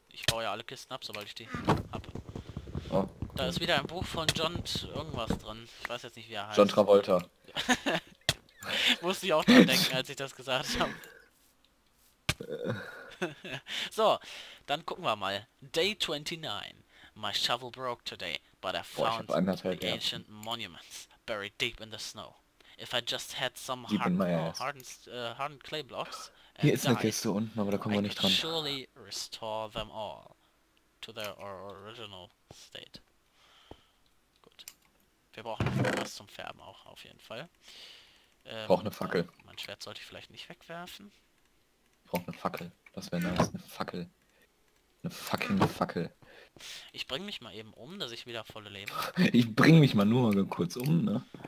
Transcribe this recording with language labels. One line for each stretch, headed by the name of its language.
German: Ich baue ja alle Kisten ab, sobald ich die hab. Oh. Da ist wieder ein Buch von John irgendwas drin. Ich weiß jetzt nicht, wie er heißt. John Travolta. Musste ich auch dran denken, als ich das gesagt habe. So, dann gucken wir mal. Day 29.
English: My shovel broke today, but I found the ancient monuments buried deep in the snow. If I just had some hardened clay blocks.
German: Hier ist eine Kiste unten, aber da kommen wir nicht dran.
English: Surely restore them all to their original state.
German: Gut. Wir brauchen was zum Färben auch auf jeden Fall. Brauche eine Fackel. Mein Schwert sollte ich vielleicht nicht wegwerfen. Brauche eine Fackel. Das wäre nice, eine Fackel. Eine fucking Fackel. Ich bring mich mal eben um, dass ich wieder volle Leben. Ich bring mich mal nur mal kurz um, ne?